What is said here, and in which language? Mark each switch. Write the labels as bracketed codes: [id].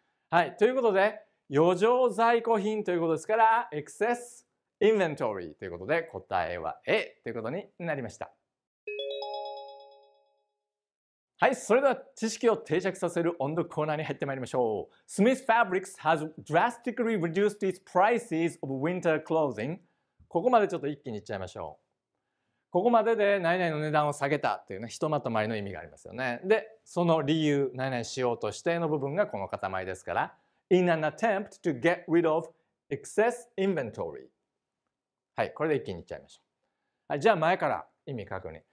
[ja] はい、ということで余剰在庫品ということですから、 excess inventory ということで、答えは A ということになりました。はい、それでは知識を定着させる音読コーナーに入ってまいりましょう。 [en] Smith Fabrics has drastically reduced its prices of winter clothing。 [ja] ここまでちょっと一気に言っちゃいましょう。ここまでで何々の値段を下げたというね、ひとまとまりの意味がありますよね。で、その理由、何々しようとしての部分がこの塊ですから、 [en] In an attempt to get rid of excess inventory。 [ja] はい、これで一気に言っちゃいましょう。はい、じゃあ前から意味確認。